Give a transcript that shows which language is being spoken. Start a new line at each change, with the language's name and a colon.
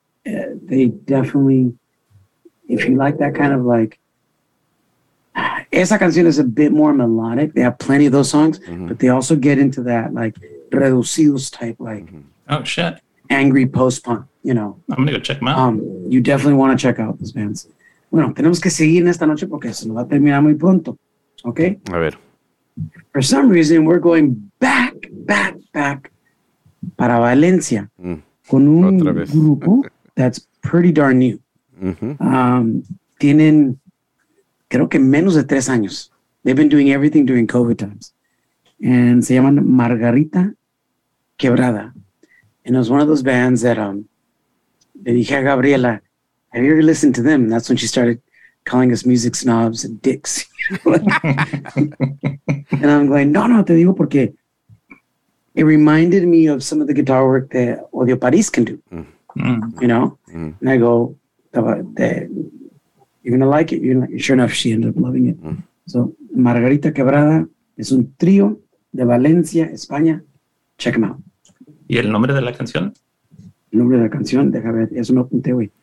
English: They definitely, if you like that kind of like,
Spanish: esa canción
English: is a bit more melodic. They have plenty of those songs, mm-hmm. but they also get into that like Reducidos type, like oh shit, angry post-punk, you know. I'm going to go check them out. You definitely want to check out those bands.
Spanish: Bueno, tenemos que seguir en esta noche porque se nos va a terminar muy pronto.
English: Okay?
Spanish: A ver.
English: For some reason, we're going back
Spanish: para Valencia
English: con un grupo that's pretty darn new. Mm-hmm.
Spanish: Tienen, creo que menos de 3 años.
English: They've been doing everything during COVID times. And
Spanish: se llaman
English: Margarita Quebrada. And it was one of those bands that
Spanish: le dije a
English: Gabriela, have you ever listened to them? And that's when she started calling us music snobs and dicks. And I'm going, no, no,
Spanish: te digo porque
English: it reminded me of some of the guitar work that Odio Paris can do. Mm-hmm. You know? Mm-hmm. And I go, you're going to like it. Sure enough, she ended up loving it. Mm-hmm.
Spanish: So Margarita Quebrada es un trío de Valencia, España.
English: Check them out.
Spanish: ¿Y el nombre de la canción? El nombre de la canción, déjame ver, eso me apunté, güey.